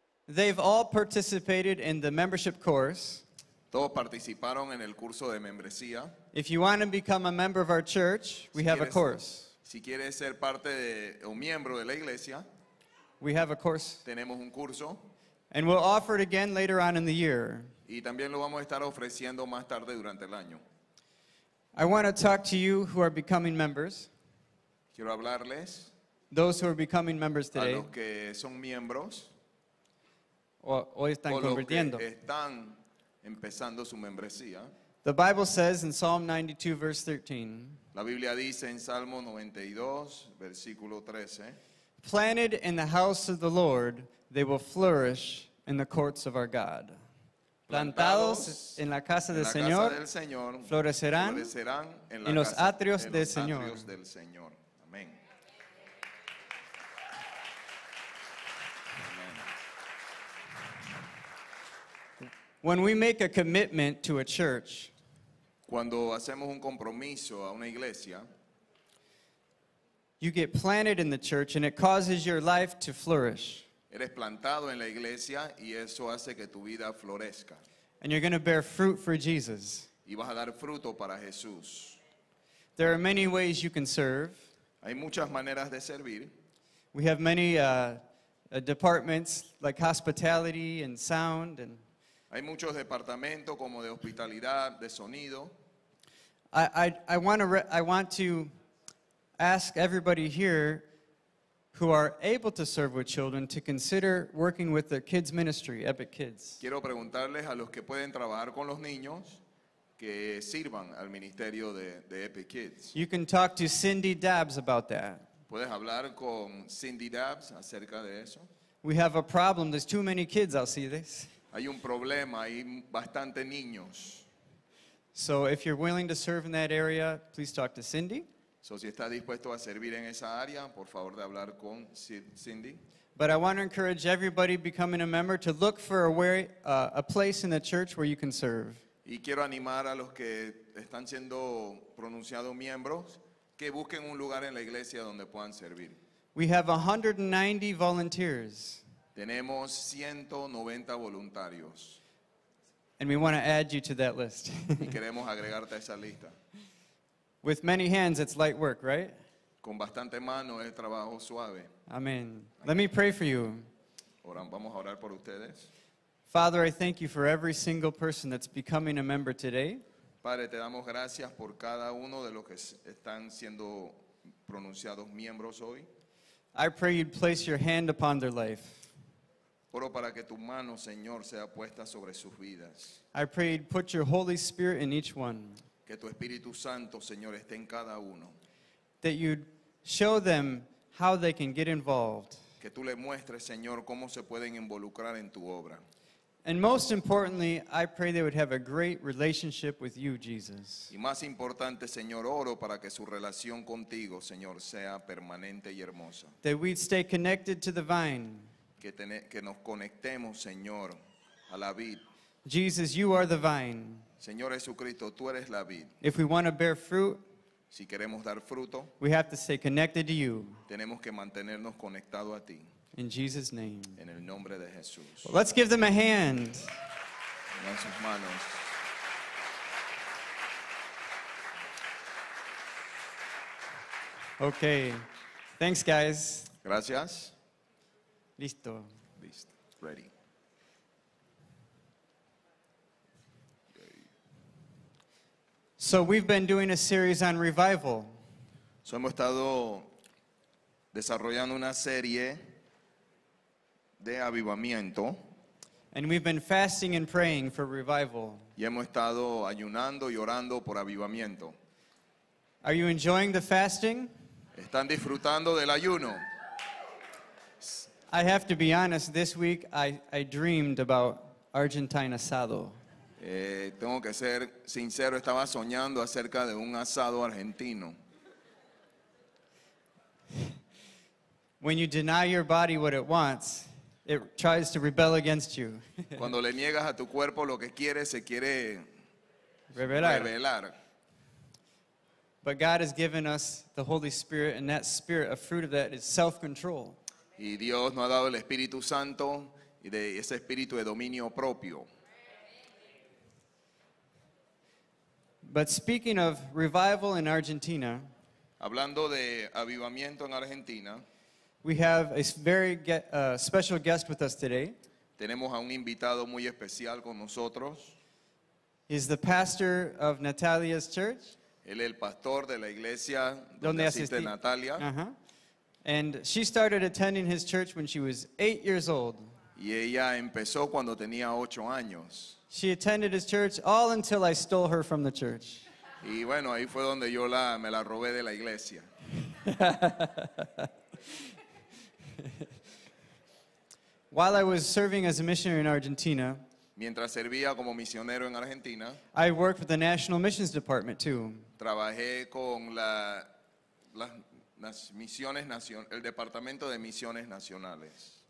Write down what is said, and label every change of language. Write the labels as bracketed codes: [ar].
[en] They've all participated in the membership course. [es] Todos participaron en el curso de membresía. [en] If you want to become a member of our church, we have a course. [es] Si quieres ser parte de un miembro de la iglesia, [en] we have a course. [es] Tenemos un curso. [en] And we'll offer it again later on in the year. [es] Y también lo vamos a estar ofreciendo más tarde durante el año. [en] I want to talk to you who are becoming members. [es] Quiero hablarles. Those who are becoming members today. A los que son miembros. Hoy están convirtiendo. Están empezando su membresía. [en] The Bible says in Psalm 92, verse 13. [es] La Biblia dice en Salmo 92, versículo 13. [en] Planted in the house of the Lord, they will flourish in the courts of our God. [es] Plantados en la casa del Señor, florecerán en los atrios del Señor. Amén. [en] When we make a commitment to a church, [es] cuando hacemos un compromiso a una iglesia, [en] you get planted in the church and it causes your life to flourish. [es] Eres plantado en la iglesia y eso hace que tu vida florezca. [en] And you're going to bear fruit for Jesus. [es] Y vas a dar fruto para Jesús. [en] There are many ways you can serve. [es] Hay muchas maneras de servir. [en] We have many departments like hospitality and sound and [es] hay muchos departamentos como de hospitalidad, de sonido. [en] I want to ask everybody here who are able to serve with children to consider working with their kids ministry, Epic Kids. [es] Quiero preguntarles a los que pueden trabajar con los niños que sirvan al ministerio de Epic Kids. [en] You can talk to Cindy Dabbs about that. [es] Puedes hablar con Cindy Dabbs acerca de eso. [en] We have a problem. There's too many kids. I'll see this. [es] Hay un problema, hay bastante niños. [en] So if you're willing to serve in that area, please talk to Cindy. [es] So si está dispuesto a servir en esa área, por favor de hablar con Cindy. [en] But I want to encourage everybody becoming a member to look for a place in the church where you can serve. [es] Y quiero animar a los que están siendo pronunciados miembros que busquen un lugar en la iglesia donde puedan servir. [en] We have 190 volunteers. [es] Tenemos 190 voluntarios. [en] And we want to add you to that list. [es] Y queremos agregarte a esa lista. [en] With many hands, it's light work, right? [es] Con bastante mano es trabajo suave. [en] Amen. Let me pray for you. [es] Vamos a orar por ustedes. [en] Father, I thank you for every single person that's becoming a member today. [es] Padre, te damos gracias por cada uno de los que están siendo pronunciados miembros hoy. [en] I pray you'd place your hand upon their life. [es] Oro para que tu mano, Señor, sea puesta sobre sus vidas. [en] I pray you'd put your Holy Spirit in each one. [es] Que tu Espíritu Santo, Señor, esté en cada uno. [en] That you'd show them how they can get involved. [es] Que tú le muestres, Señor, cómo se pueden involucrar en tu obra. [en] And most importantly, I pray they would have a great relationship with you, Jesus. [es] Y más importante, Señor, oro para que su relación contigo, Señor, sea permanente y hermosa. [en] That we'd stay connected to the vine. [es] Que nos conectemos, Señor, a la vid. [en] Jesus, you are the vine. [es] Señor Jesucristo, tú eres la vid. [en] If we want to bear fruit, [es] si queremos dar fruto, [en] we have to stay connected to you. [es] Tenemos que mantenernos conectado a ti. [en] In Jesus' name. [es] En el nombre de Jesús. [en] Well, let's give them a hand. [es] En sus manos. Okay. Thanks, guys. Gracias. Listo. Listo. [en] Ready. So we've been doing a series on revival. [es] So hemos estado desarrollando una serie de avivamiento. [en] And we've been fasting and praying for revival. [es] Y hemos estado ayunando y orando por avivamiento. [en] Are you enjoying the fasting? [es] ¿Están disfrutando del ayuno? [en] I have to be honest, this week I dreamed about Argentine asado. [es] Tengo que ser sincero, estaba soñando acerca de un asado argentino. [en] When you deny your body what it wants, it tries to rebel against you. [es] Cuando le niegas a tu cuerpo lo que quiere, se quiere rebelar. [en] But God has given us the Holy Spirit, and that spirit, a fruit of that, is self-control. [es] Y Dios nos ha dado el Espíritu Santo y de ese espíritu de dominio propio. [en] But speaking of revival in Argentina, [es] hablando de avivamiento en Argentina, [en] we have a very special guest with us today. [es] Tenemos a un invitado muy especial con nosotros. [en] He's the pastor of Natalia's church. [es] Él es el pastor de la iglesia donde asiste Natalia. [en] And she started attending his church when she was 8 years old. [es] Y ella empezó cuando tenía 8 años. [en] She attended his church all until I stole her from the church. [es] Y bueno, ahí fue donde yo me la robé de la iglesia. [en] While I was serving as a missionary in Argentina, [es] mientras servía como misionero en Argentina, [en] I worked with the National Missions Department too. [es] Trabajé con las misiones el departamento de misiones nacionales.